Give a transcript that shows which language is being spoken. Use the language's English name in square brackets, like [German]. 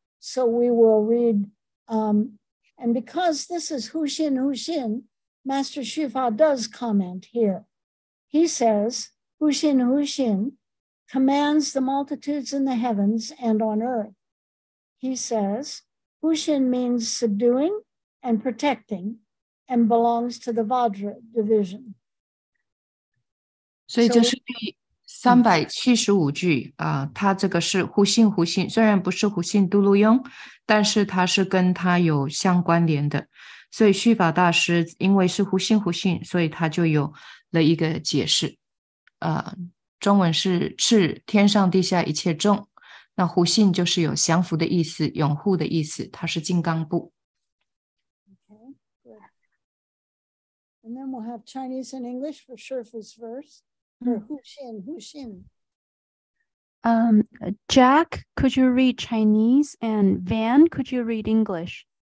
[English] So we will read. And because this is Huxin Huxin, Master Xufa does comment here. He says, Huxin Huxin commands the multitudes in the heavens and on earth. He says, Huxin means subduing and protecting and belongs to the Vajra division. [Chinese] 所以这是第375句，它这个是胡信胡信，虽然不是胡信都路庸，但是它是跟它有相关联的。所以续法大师因为是胡信胡信，所以他就有了一个解释。中文是赤天上地下一切众，那胡信就是有降服的意思，拥护的意思，它是金刚部。 [English] Okay, and then we'll have Chinese and English for Shurfa's verse for Huxin, Huxin. Jack, could you read Chinese? And Van, could you read English?